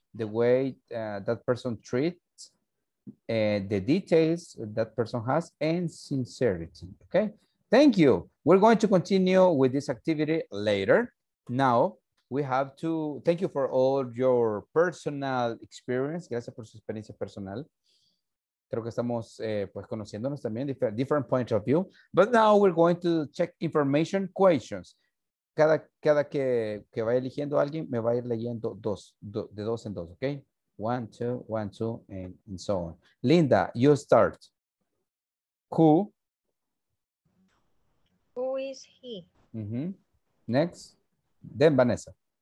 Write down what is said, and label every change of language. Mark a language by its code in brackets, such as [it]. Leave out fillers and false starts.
[en] The way that person treats, the details that person has, and sincerity. Okay. Thank you. We're going to continue with this activity later. Now, we have to thank you for all your personal experience. [es] Gracias por su experiencia personal. Creo que estamos conociéndonos también, [en] different points of view. But now we're going to check information questions. [es] Cada que vaya eligiendo a alguien, me va a ir leyendo dos en dos, okay? [en] One, two, and so on. Linda, you start. Who? Who is he? Mm-hmm. Next. Then Vanessa.